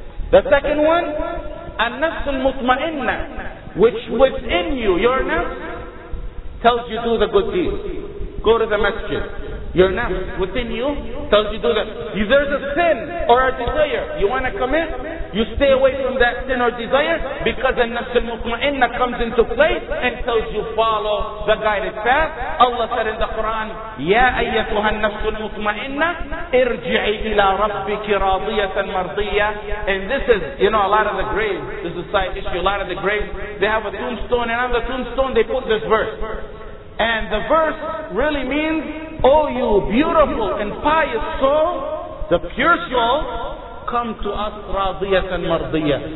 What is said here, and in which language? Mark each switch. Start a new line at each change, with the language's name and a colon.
English: The second one, an-nafs al-mutma'inna, which within you, your nafs, tells you do the good deed. Go to the masjid. Your nafs within you tells you do that. If there's a sin or a desire you want to commit, you stay away from that sin or desire, because an-nafs al-mutma'inna comes into play and tells you follow the guided path. Allah said in the Quran,
Arabic: يَا أَيَّتُهَا النَّفْسُ الْمُطْمَئِنَّةُ اِرْجِعِي إِلَىٰ رَبِّكِ رَاضِيَةً مَرْضِيَّةً.
English: And this is, you know, a lot of the graves, this is a side issue, a lot of the graves, they have a tombstone, and on the tombstone they put this verse. And the verse really means, oh you beautiful and pious soul, the pure soul, come to us
Arabic: رَاضِيَةً مَرْضِيَةً.